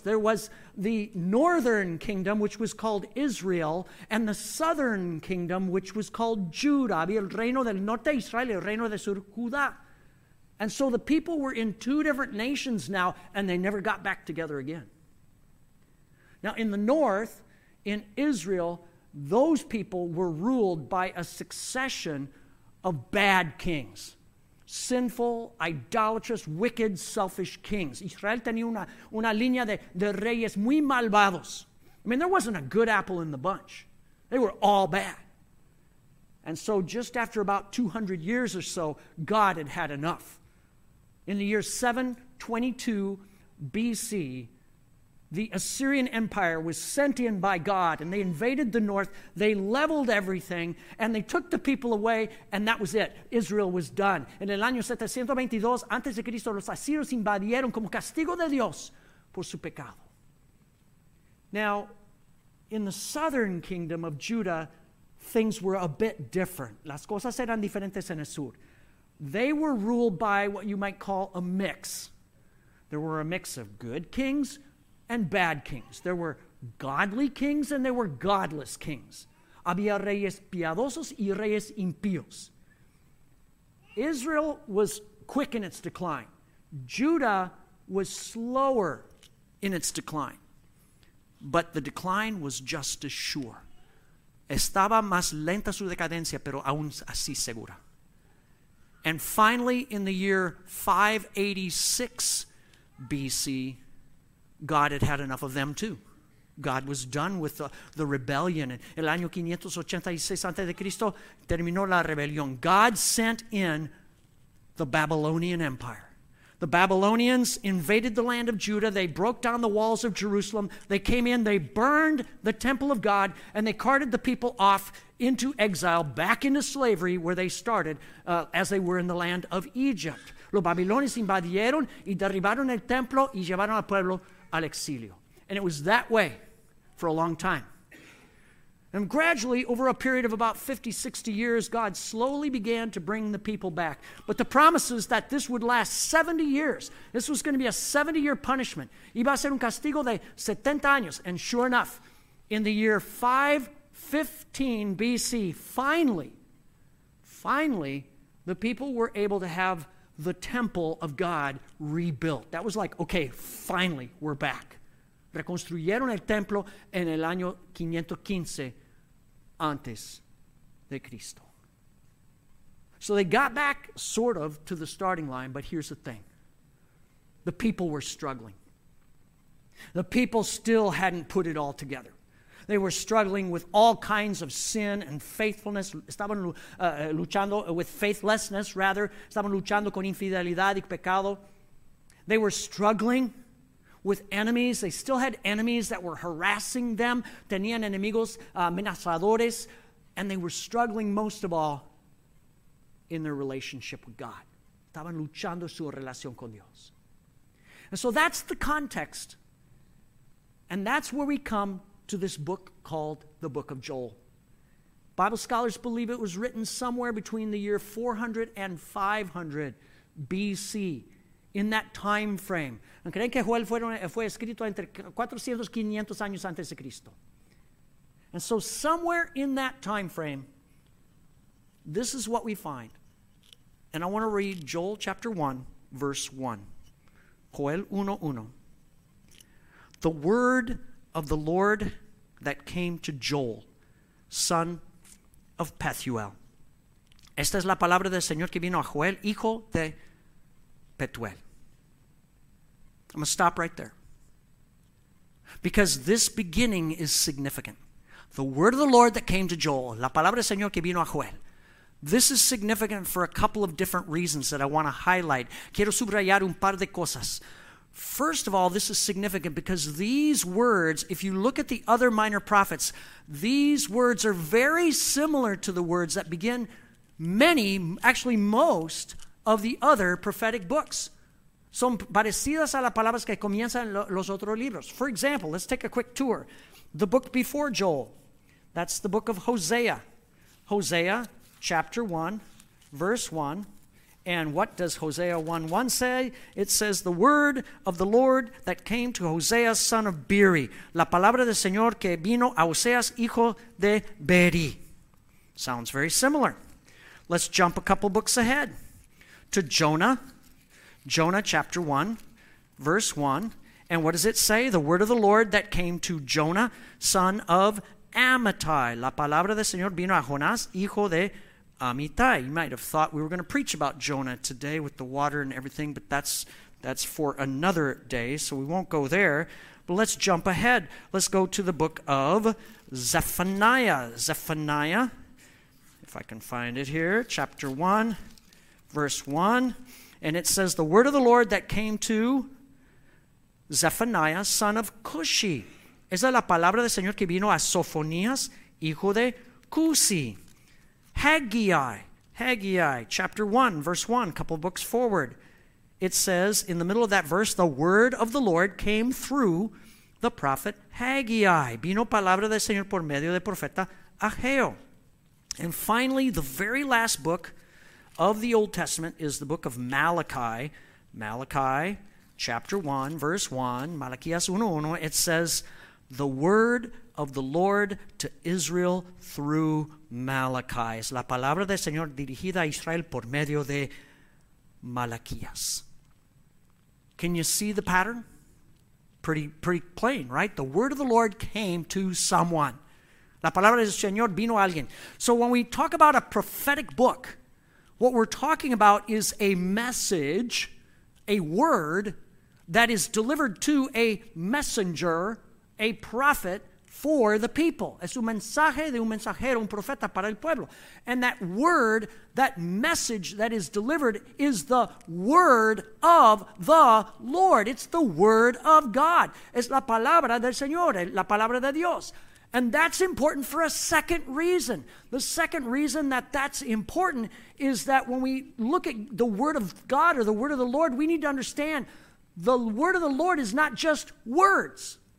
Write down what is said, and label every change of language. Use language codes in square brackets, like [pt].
[en] There was the northern kingdom, which was called Israel, and the southern kingdom, which was called Judah. [es] Había el reino del norte de Israel, el reino del sur, Judá. [en] And so the people were in two different nations now, and they never got back together again. Now, in the north, in Israel, those people were ruled by a succession of bad kings. Sinful, idolatrous, wicked, selfish kings. [es] Israel tenía una línea de reyes muy malvados. [en] I mean, there wasn't a good apple in the bunch. They were all bad. And so just after about 200 years or so, God had had enough. In the year 722 B.C., the Assyrian Empire was sent in by God, and they invaded the north, they leveled everything, and they took the people away, and that was it. Israel was done. [es] En el año 722 antes de Cristo, los asirios invadieron como castigo de Dios por su pecado. [en] Now, in the southern kingdom of Judah, things were a bit different. [es] Las cosas eran diferentes en el sur. [en] They were ruled by what you might call a mix. There were a mix of good kings and bad kings. There were godly kings and there were godless kings. [es] Había reyes piadosos y reyes impíos. [en] Israel was quick in its decline. Judah was slower in its decline. But the decline was just as sure. [es] Estaba más lenta su decadencia, pero aún así segura. [en] And finally, in the year 586 B.C., God had had enough of them too. God was done with the rebellion. [es] El año 586 antes de Cristo terminó la rebelión. [en] God sent in the Babylonian Empire. The Babylonians invaded the land of Judah. They broke down the walls of Jerusalem. They came in, they burned the temple of God, and they carted the people off into exile, back into slavery where they started, as they were in the land of Egypt. [es] Los babilonios invadieron y derribaron el templo y llevaron al pueblo al exilio. [en] And it was that way for a long time. And gradually, over a period of about 50, 60 years, God slowly began to bring the people back. But the promises that this would last 70 years, this was going to be a 70-year punishment. [es] Iba a ser un castigo de 70 años. [en] And sure enough, in the year 515 BC, finally, the people were able to have the temple of God rebuilt. That was like, okay, finally, we're back. [es] Reconstruyeron el templo en el año 515 antes de Cristo. [en] So they got back, sort of, to the starting line, but here's the thing. The people were struggling. The people still hadn't put it all together. They were struggling with all kinds of sin and faithfulness. [es] Estaban luchando [en] with faithlessness, rather. [es] Estaban luchando con infidelidad y pecado. [en] They were struggling with enemies. They still had enemies that were harassing them. [es] Tenían enemigos amenazadores. [en] And they were struggling, most of all, in their relationship with God. [es] Estaban luchando su relación con Dios. [en] And so that's the context. And that's where we come to this book called the Book of Joel. Bible scholars believe it was written somewhere between the year 400 and 500 B.C., in that time frame. [es] ¿Creen que Joel fue escrito entre 400 y 500 años antes de Cristo? [en] And so somewhere in that time frame, this is what we find. And I want to read Joel chapter 1, verse 1. Joel 1:1. the word of the Lord that came to Joel, son of Pethuel. [es] Esta es la palabra del Señor que vino a Joel, hijo de Pethuel. [en] I'm going to stop right there. Because this beginning is significant. The word of the Lord that came to Joel, [es] la palabra del Señor que vino a Joel. [en] This is significant for a couple of different reasons that I want to highlight. [es] Quiero subrayar un par de cosas. [en] First of all, this is significant because these words, if you look at the other minor prophets, these words are very similar to the words that begin many, actually most, of the other prophetic books. [es] Son parecidas a las palabras que comienzan los otros libros. [en] For example, let's take a quick tour. The book before Joel, that's the book of Hosea. Hosea chapter 1, verse 1. And what does Hosea 1:1 say? It says, the word of the Lord that came to Hosea, son of Beeri. [es] La palabra del Señor que vino a Oseas, hijo de Beeri. [en] Sounds very similar. Let's jump a couple books ahead to Jonah. Jonah chapter 1, verse 1. And what does it say? The word of the Lord that came to Jonah, son of Amittai. [es] La palabra del Señor vino a Jonás, hijo de Amittai. [en] You might have thought we were going to preach about Jonah today with the water and everything, but that's for another day, so we won't go there. But let's jump ahead. Let's go to the book of Zephaniah. Zephaniah, if I can find it here, chapter 1, verse 1. And it says, the word of the Lord that came to Zephaniah, son of Cushi. [es] Esa es la palabra del Señor que vino a Sofonías, hijo de Cusi. [en] Haggai, chapter 1, verse 1, a couple books forward. It says, in the middle of that verse, the word of the Lord came through the prophet Haggai. [es] Vino palabra del Señor por medio del profeta Ageo. [en] And finally, the very last book of the Old Testament is the book of Malachi. Malachi, chapter 1, verse 1, Malachias 1:1, it says, the word of the Lord to Israel through Malachi. [es] Es la palabra del Señor dirigida a Israel por medio de Malaquías. [en] Can you see the pattern? Pretty plain, right? The word of the Lord came to someone. [es] La palabra del Señor vino a alguien. [en] So when we talk about a prophetic book, what we're talking about is a message, a word that is delivered to a messenger, a prophet, for the people. [es] Es un mensaje de un mensajero, un profeta para el pueblo. [en] And that word, that message that is delivered is the word of the Lord. It's the word of God. [es] Es la palabra del Señor, la palabra de Dios. [en] And that's important for a second reason. The second reason that that's important is that when we look at the word of God or the word of the Lord, we need to understand the word of the Lord is not just words.